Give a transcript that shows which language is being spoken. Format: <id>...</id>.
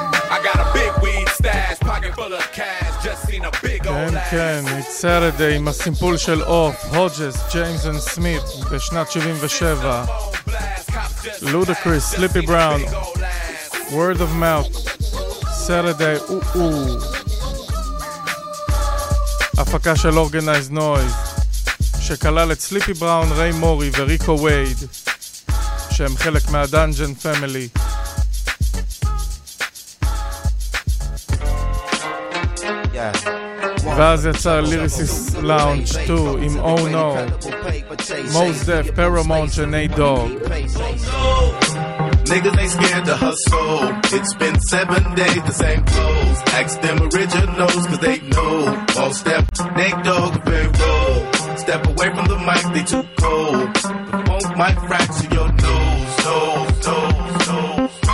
<en>I got a big weed stash, pocket full of cash. Just seen a big old ass.</en> <he>כן, it's Saturday, עם הסימפול של אוף, הודג'ס, ג'יימס אנד סמית, בשנת 77. Ludacris, Slippy Brown, Word of Mouth, Saturday, הפקה של Organized Noise, שכלל את Slippy Brown, Ray Mori וריקו וייד, שהם חלק מהדאנג'ן פמילי. ואז יצא ליריסיס לאונג' 2 עם Oh No, Mos Def, Paramount ונייט דוג.</he> <en>Niggas ain't scared to hustle. It's been 7 days, the same clothes. Ask them originals, cause they know. All step, Nate Dogg, payroll. Step away from the mic, they too cold. The funk might fracture your nose, nose, nose, nose.</en>